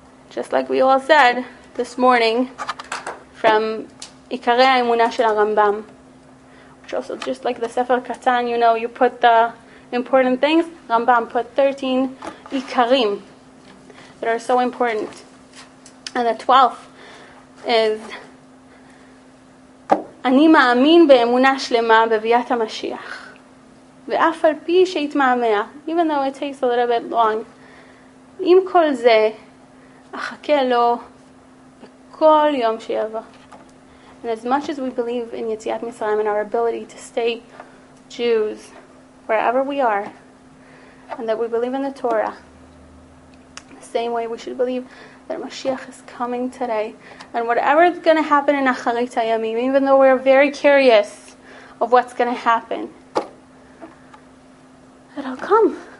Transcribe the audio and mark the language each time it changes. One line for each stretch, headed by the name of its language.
English: Just like we all said this morning from
Hebrew: עיקרי האמונה של הרמב״ם.
English: Which also, just like the Sefer Katan, you know, you put the important things, רמב״ם put 13 עיקרים that are so important. And the 12th is,
Hebrew: אני מאמין באמונה שלמה בביאת המשיח. ואף על פי שהתמהמה,
English: even though it takes a little bit long,
Hebrew: עם כל זה, אחכה לו בכל יום שיבוא.
English: And as much as we believe in Yetziat Mitzrayim and our ability to stay Jews wherever we are, and that we believe in the Torah, the same way we should believe that Mashiach is coming today, and whatever is going to happen in Acharit HaYamim, even though we're very curious of what's going to happen, it'll come.